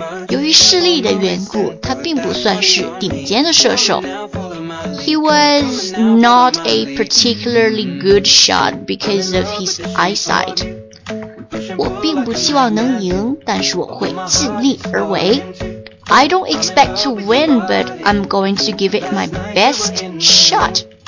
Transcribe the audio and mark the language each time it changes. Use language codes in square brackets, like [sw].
[zh] 由于视力的缘故，他并不算是顶尖的射手。 [en] He was not a particularly good shot because of his eyesight. [zh] 我并不希望能赢，但是我会尽力而为。 [en] I don't expect to win, but I'm going to give it my best shot.